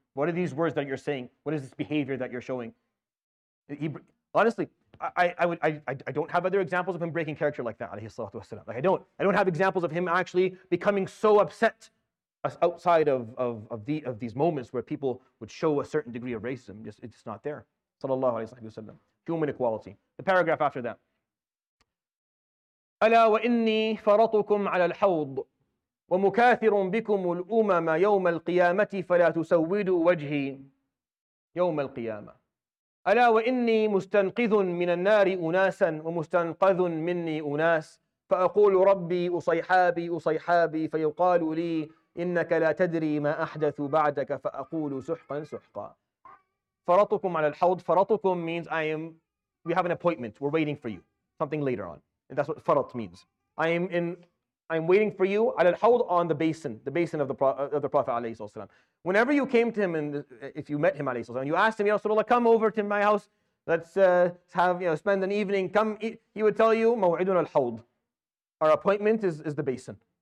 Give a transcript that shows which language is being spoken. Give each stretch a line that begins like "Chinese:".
English: What are these words that you're saying? What is this behavior that you're showing? I don't have other examples of him breaking character like that, alayhi salatu wasalam. Like, I don't have examples of him actually becoming so upset outside of these moments where people would show a certain degree of racism. It's not there. Sallallahu alayhi wa sallam. Human equality. The paragraph after that.
Arabic: أَلَا وَإِنِّي فَرَطُكُمْ عَلَى الْحَوْضِ وَمُكَاثِرٌ بِكُمُ الْأُمَمَ يَوْمَ الْقِيَامَةِ فَلَا تُسَوِّدُوا وَجْهِي يَوْمَ الْقِيَامَةِ أَلَا وَإِنِّي مُسْتَنْقِذٌ مِنَ النَّارِ أُنَاسًا وَمُسْتَنْقَذٌ مِنِّي أُنَاسٌ فَأَقُولُ رَبِّي أُصَيْحَابِي أُصَيْحَابِي فَيُقَالُ لِي إِنَّكَ لَا تَدْرِي مَا أَحْدَثُ بَعْدَكَ فَأَقُولُ سُحْقًا سُحْقًا فَرَطُكُمْ عَلَى الْحَوْضِ فَرَطُكُمْ
English: means we have an appointment, we're waiting for you, something later on. And that's what فَرَط means. I'm waiting for you,
Arabic: عَلَى الْحَوْضِ
English: on the basin of the Prophet عليه الصلاة والسلام. Whenever you came to him, and if you met him عليه الصلاة والسلام, you asked him,
Arabic: يا رسول الله,
English: come over to my house, let's spend an evening, come eat. He would tell you,
Arabic: مَوْعِدُنَا الْحَوْضِ,
English: our appointment is the basin.